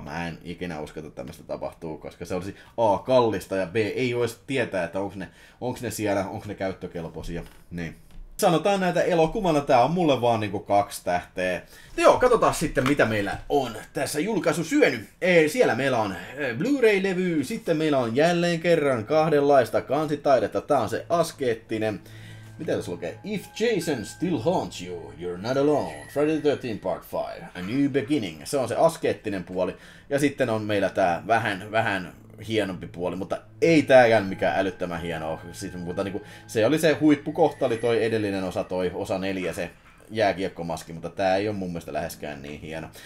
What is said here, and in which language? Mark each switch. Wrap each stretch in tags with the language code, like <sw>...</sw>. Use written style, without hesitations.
<fi>Mä en ikinä usko, että tämmöistä tapahtuu, koska se olisi A, kallista, ja B, ei voisi tietää, että onks ne siellä, onks ne käyttökelpoisia, niin. sanotaan näitä elokuvana, tää on mulle vaan niinku 2 tähteä. No joo, katsotaan sitten mitä meillä on tässä julkaisu syönyt. Siellä meillä on Blu-ray-levy, sitten meillä on jälleen kerran 2 kansitaidetta, tää on se askeettinen. Mitä tässä lukee?</fi> <en>If Jason still haunts you, you're not alone. Friday the 13th part 5, a new beginning.</en> <fi>Se on se askeettinen puoli. Ja sitten on meillä tää vähän hienompi puoli, mutta ei tääkään mikään älyttömän hieno. Siis, mutta niinku, se oli se huippukohta, oli toi edellinen osa, toi osa 4, se jääkiekkomaski, mutta tää ei ole mun mielestä läheskään niin hieno.</fi>